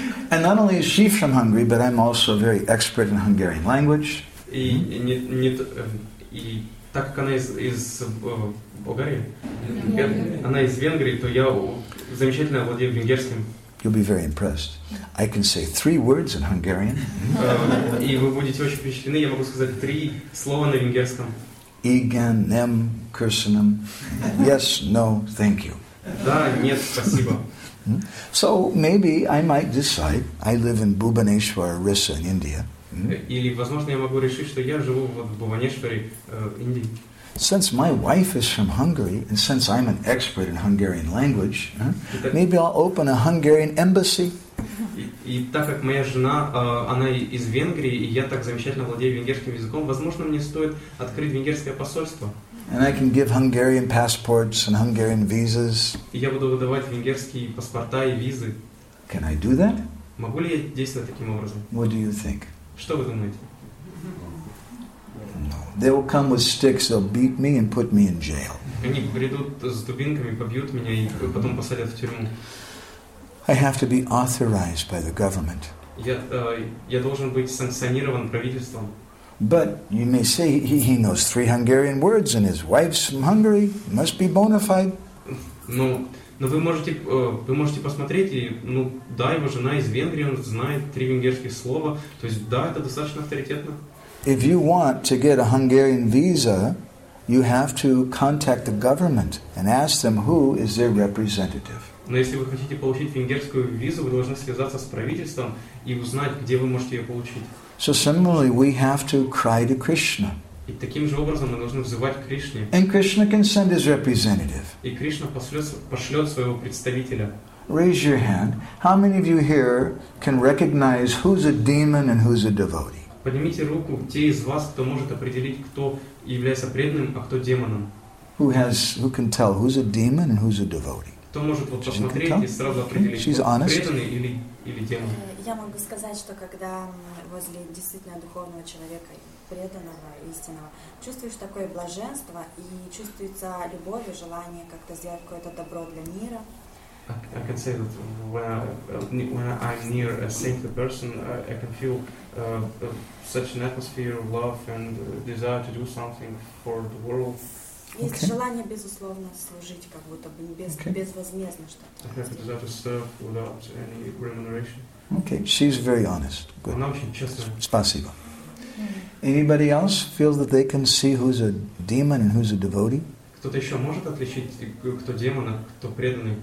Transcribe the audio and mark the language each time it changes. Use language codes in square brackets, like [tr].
[en] And not only is she from Hungary, but I'm also very expert in Hungarian language. [ru] И так как она из Болгарии, она из Венгрии, то я замечательно владею венгерским. [en] You'll be very impressed. I can say three words in Hungarian. [ru] И вы будете очень впечатлены. Я могу сказать три слова на венгерском. [hu] Igen, nem, kursenem. [en] Yes, no, thank you. [ru] Да, нет, спасибо. [en] So maybe I might decide. I live in Bhubaneswar, Orissa, in India. [ru] Или, возможно, я могу решить, что я живу в Бхубанешваре, Индии. [en] Since my wife is from Hungary, and since I'm an expert in Hungarian language, maybe I'll open a Hungarian embassy. [ru] И так как моя жена, она из Венгрии, и я так замечательно владею венгерским языком, возможно, мне стоит открыть венгерское посольство. [en] And I can give Hungarian passports and Hungarian visas. [ru] И я буду выдавать венгерские паспорта и визы. [en] Can I do that? [ru] Могу ли я действовать таким образом? [en] What do you think? [ru] Что вы думаете? [en] No. They will come with sticks, they'll beat me and put me in jail. [ru] Они придут с дубинками, побьют меня и потом посадят в тюрьму. [en] I have to be authorized by the government. [ru] Я должен быть санкционирован правительством. [en] But you may say he knows three Hungarian words and his wife's from Hungary, must be bona fide. [ru] Но вы можете посмотреть, и ну да, его жена из Венгрии, он знает три венгерских слова, то есть да, это достаточно авторитетно. [en] If you want to get a Hungarian visa, you have to contact the government and ask them who is their representative. [ru] Но если вы хотите получить венгерскую визу, вы должны связаться с правительством и узнать, где вы можете ее получить. [en] So similarly, we have to cry to Krishna. [ru] И таким же образом мы должны взывать к Кришне. [en] And Krishna can send his representative. [ru] И Кришна пошлет своего представителя. [en] Raise your hand. How many of you here can recognize who's a demon and who's a devotee? [ru] Поднимите руку те из вас, кто может определить, кто является преданным, а кто демоном. [en] Who can tell who's a demon and who's a devotee? [ru] Кто может вот посмотреть и сразу определить, [en] She's [ru] кто [en] honest. [ru] Преданный или демон? Я могу сказать, что когда возле действительно духовного человека, преданного, истинного, чувствуешь такое блаженство и чувствуется любовь и желание как-то сделать какое-то добро для мира. [en] I can say that when I'm near a sainted person, I can feel such an atmosphere of love and desire to do something for the world. [ru] Есть желание безусловно служить, как будто бы безвозмездно что-то. [en] I have a desire to serve without any remuneration. Okay, she's very honest. Good. [ru] Она очень честная. Спасибо. [en] Anybody else feels that they can see who's a demon and who's a devotee? [ru] Кто-то еще может отличить, кто демон, а кто преданный?